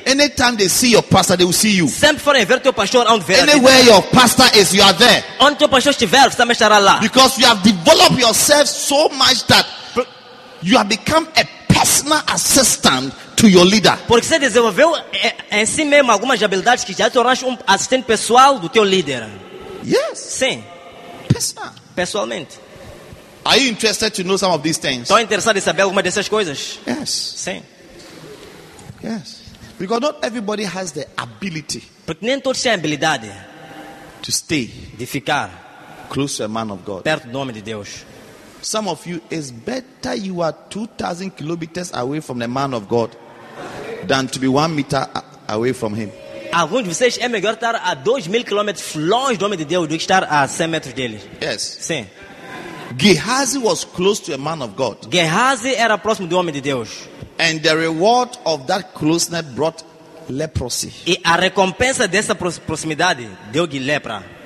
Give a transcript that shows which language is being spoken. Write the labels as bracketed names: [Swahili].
[English] Anytime they see your pastor, they will see you. [Portuguese] Sempre forem ver teu pastor, onde ver. [English] Anywhere your pastor is, you are there. [Portuguese] Onde teu pastor estiver, você estará lá. [English] Because you have developed yourself so much that you have become a personal assistant to your leader. [Portuguese] Porque você desenvolveu em si mesmo algumas habilidades que já tornaste assistente pessoal do teu líder. [English] Yes. [Portuguese] Sim. [English] Personal. [Portuguese] Pessoalmente. [English] Are you interested to know some of these things? [Portuguese] Estou interessado em saber algumas dessas coisas. [English] Yes. [Portuguese] Sim. [English] Yes. Because not everybody has the ability. [Portuguese] Porque nem todos têm habilidade. [English] To stay. [Portuguese] De ficar. [English] Close to a man of God. [Portuguese] Perto do homem de Deus. [English] Some of you, it's better you are 2,000 kilometers away from the man of God than to be 1 meter away from him. [Portuguese] Alguns de vocês é melhor estar a 2,000 quilômetros longe do homem de Deus do que estar a 100 metros dele. [English] Yes. [Portuguese] Sim. [English] Gehazi was close to a man of God. [Portuguese] Gehazi era próximo do homem de Deus. [English] And the reward of that closeness brought leprosy. [Portuguese] E a recompensa dessa proximidade deu-lhe lepra.